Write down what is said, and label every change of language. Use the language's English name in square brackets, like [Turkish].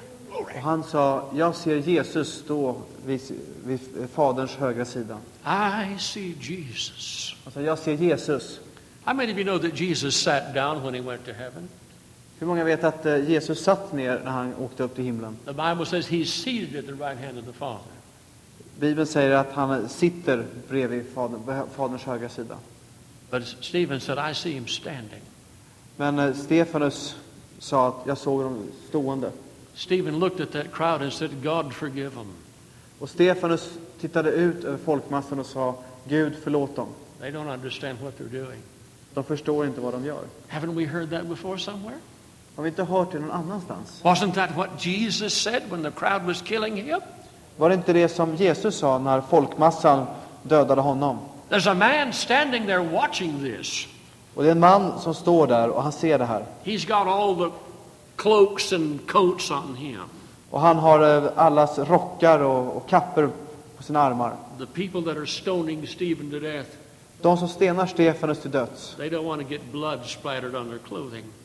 [Swedish] Och han sa, jag ser Jesus stå vid faderns högra sida. [English] I see Jesus. [Swedish] Alltså, jag ser Jesus. [English] How many of you know that Jesus sat down when he went to heaven? [Swedish] Hur många vet att Jesus satt ner när han åkte upp till himlen? [English] The Bible says he's seated at the right hand of the Father. [Swedish] Bibeln säger att han sitter bredvid faderns högra sida. [English] But Stephen said, I see him standing. [Swedish] Men Stefanus sa att jag såg dem stående. [English] Stephen looked at that crowd and said, "God forgive them." [Swedish] Och Stefanus tittade ut över folkmassan och sa, "Gud förlåt dem." [English] They don't understand what they're doing. [Swedish] De förstår inte vad de gör. [English] Haven't we heard that before somewhere? [Swedish] Har vi inte hört det någon annanstans? [English] Wasn't that what Jesus said when the crowd was killing him? [Swedish] Var det inte det som Jesus sa när folkmassan dödade honom? [English] There's a man standing there watching this. [Swedish] Och det är en man som står där och han ser det här. [English] He's got all the cloaks and coats on him. [Swedish] Och han har allas rockar och kapper på sina armar. [English] The people that are stoning Stephen to death. [Swedish] De som stenar Stefanus till döds. [English] They don't want to get blood splattered on their clothing.